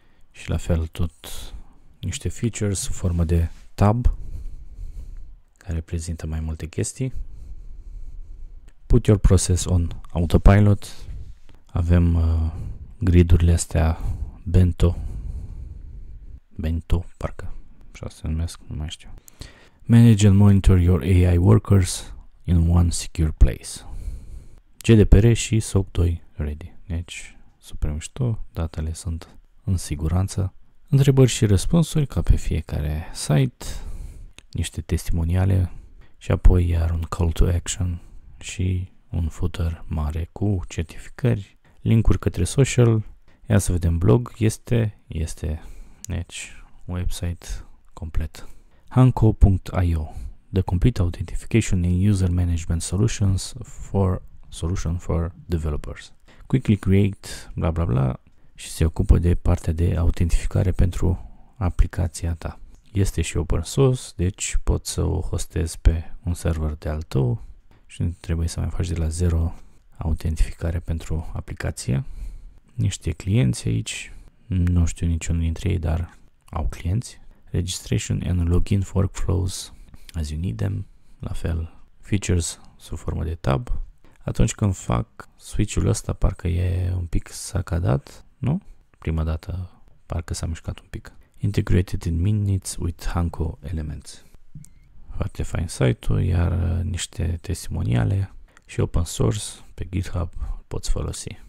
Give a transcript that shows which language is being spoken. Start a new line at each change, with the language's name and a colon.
Romanian: Și la fel tot niște features în formă de tab care prezintă mai multe chestii.
English: Put your process on autopilot.
Romanian: Avem gridurile astea Bento. Bento, parcă. Așa se numesc, nu mai știu.
English: Manage and monitor your AI workers in one secure place.
Romanian: GDPR și SOC 2 ready. Deci, super mișto. Datele sunt în siguranță. Întrebări și răspunsuri, ca pe fiecare site. Niște testimoniale. Și apoi iar un call to action. Și un footer mare cu certificări. Link-uri către social. Ia să vedem blog. Este. Deci, website complet. Hanco.io.
English: The complete authentication and user management solution for developers. Quickly create, bla bla bla,
Romanian: și se ocupă de partea de autentificare pentru aplicația ta. Este și open source, deci poți să o hostezi pe un server de al tău și nu trebuie să mai faci de la zero autentificare pentru aplicație. Niște clienți aici, nu știu niciunul dintre ei, dar au clienți.
English: registration and login workflows as you need them,
Romanian: la fel, features sub formă de tab. Atunci când fac switch-ul ăsta, parcă e un pic sacadat, nu? Prima dată parcă s-a mișcat un pic.
English: Integrated in minutes with Hanko elements.
Romanian: Foarte fain site-ul, iar niște testimoniale și open source pe GitHub poți folosi.